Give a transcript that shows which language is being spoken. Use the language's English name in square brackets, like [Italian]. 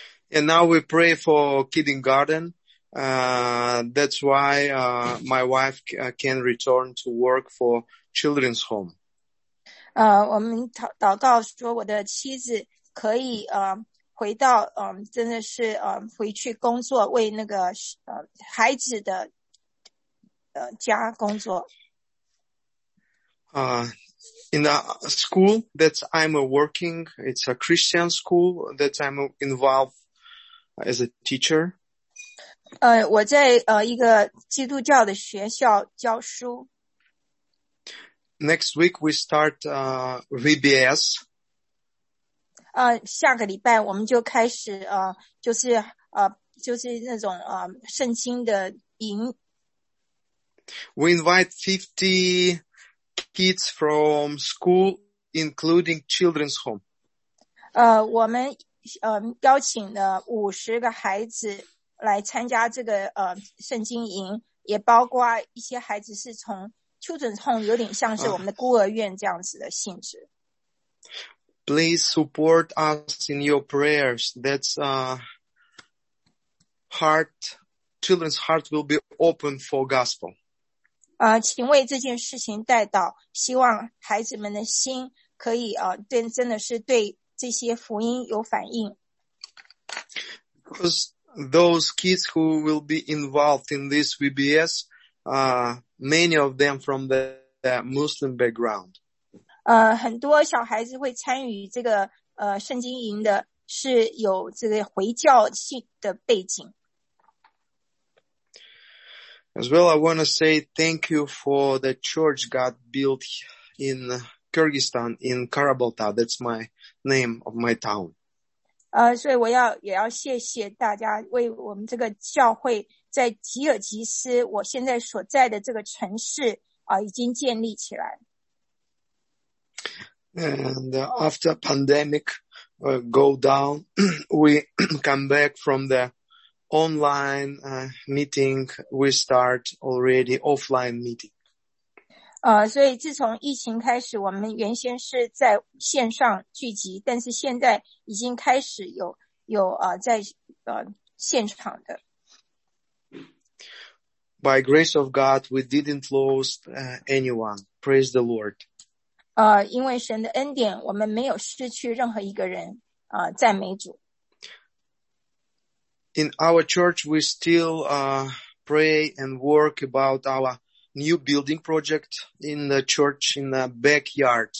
[English] And now we pray for kindergarten. That's why, my wife can return to work for children's home. [Chinese] 我们祷告说我的妻子可以回到真的是回去工作，为那个孩子的家工作。 [English] In a school that I'm working, it's a Christian school that I'm involved as a teacher. [Chinese] 我在一个基督教的学校教书。 [English] Next week we start VBS. [Chinese] 下个礼拜我们就开始就是那种圣经的营。 [English] We invite 50 kids from school, including children's home. [Chinese] 我们邀请了50个孩子来参加这个圣经营，也包括一些孩子是从children's home， 有点像是我们的孤儿院这样子的性质。 [English] Please support us in your prayers. That's heart, children's heart will be open for gospel. [Chinese] 请为这件事情代祷，希望孩子们的心可以对真的是对这些福音有反应。 [English] Because those kids who will be involved in this VBS, many of them from the Muslim background. [Chinese] 很多小孩子会参与这个圣经营的是有这个回教性的背景。 [English] As well, I want to say thank you for the church God built in Kyrgyzstan in Karabalta. That's my name of my town. [Chinese] 所以我也要谢谢大家为我们这个教会在吉尔吉斯我现在所在的这个城市已经建立起来。 [English] And after pandemic go down, we come back from the online meeting, we start already offline meeting. [Chinese] 所以自从疫情开始，我们原先是在线上聚集，但是现在已经开始有在现场的。 [English] By grace of God, we didn't lose anyone. Praise the Lord. [Chinese] 因为神的恩典，我们没有失去任何一个人。赞美主。 [English] In our church, we still pray and work about our new building project in the church in the backyard.